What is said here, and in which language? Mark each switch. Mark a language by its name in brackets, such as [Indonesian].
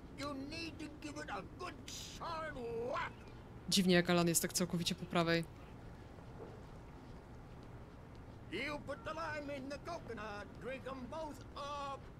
[English] You need to give it a good solid whack. [Polish] Dziwnie, jak Alan jest tak całkowicie po prawej. [English] You put the lime in the coconut, drink them both up.